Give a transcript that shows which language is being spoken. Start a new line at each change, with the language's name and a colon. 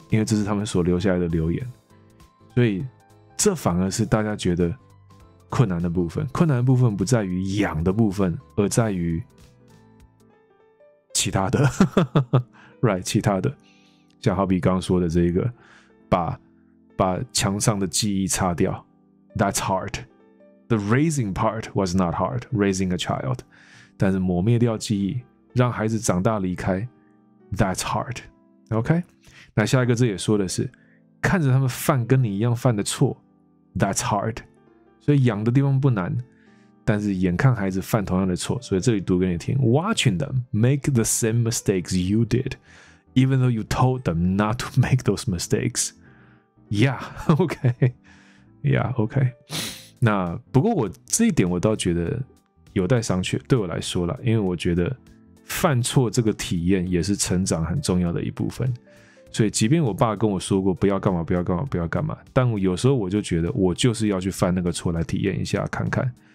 Chinese: 因为这是他们所留下来的留言，所以这反而是大家觉得困难的部分。困难的部分不在于养的部分，而在于其他的。 right, 其他的，像好比刚刚说的这个，把墙上的记忆擦掉。
English: That's hard. The raising part was not hard, raising a child.
Chinese: 但是抹灭掉记忆，让孩子长大离开。
English: That's hard. OK?
Chinese: 那下一个字也说的是看着他们犯跟你一样犯的错。
English: That's hard.
Chinese: 所以养的地方不难，但是眼看孩子犯同样的错，所以这里读给你听。
English: Watching them make the same mistakes you did, even though you told them not to make those mistakes. Yeah, OK. Yeah, OK.
Chinese: 那不过我这一点我倒觉得有待商榷，对我来说啦，因为我觉得犯错这个体验也是成长很重要的一部分，所以即便我爸跟我说过不要干嘛不要干嘛不要干嘛，但有时候我就觉得我就是要去犯那个错来体验一下看看。